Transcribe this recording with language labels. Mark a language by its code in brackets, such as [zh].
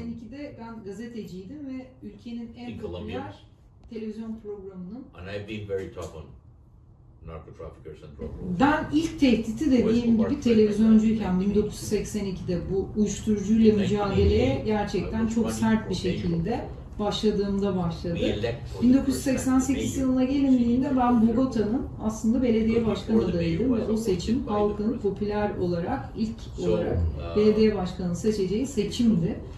[tr] 82'de ben gazeteciydim ve ülkenin en popüler televizyon programının. [en] And I've been very tough on narcotraffickers and drug lords. [tr] Ben ilk tehditi dediğim gibi televizyoncuyken 1982'de bu uyuşturucuyla mücadeleye gerçekten çok sert bir şekilde başladığımda başladı. 1988 yılına gelindiğinde ben Bogota'nın aslında belediye başkanı adayıydım ve o seçim halkın popüler olarak ilk olarak belediye başkanı seçeceği seçimdi.